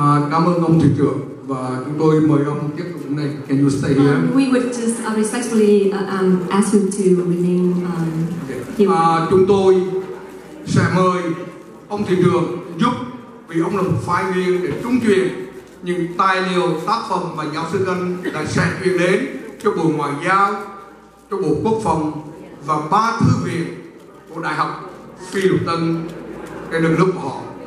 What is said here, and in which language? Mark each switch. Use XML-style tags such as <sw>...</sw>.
<vi>Cảm ơn ông trưởng trưởng và chúng tôi mời ông tiếp tục đến đây.</vi> <en>Can you stay here? We would just respectfully ask him to remain here.</en> <vi>Chúng tôi sẽ mời ông trưởng trưởng giúp vì ông là một phái viên để trung truyền những tài liệu, tác phẩm mà giáo sư Ngân đã sẽ truyền đến cho Bộ Ngoại giao, cho Bộ Quốc phòng và ba thư viện của Đại học Phi Lục Tân, cái đất nước của họ.</vi>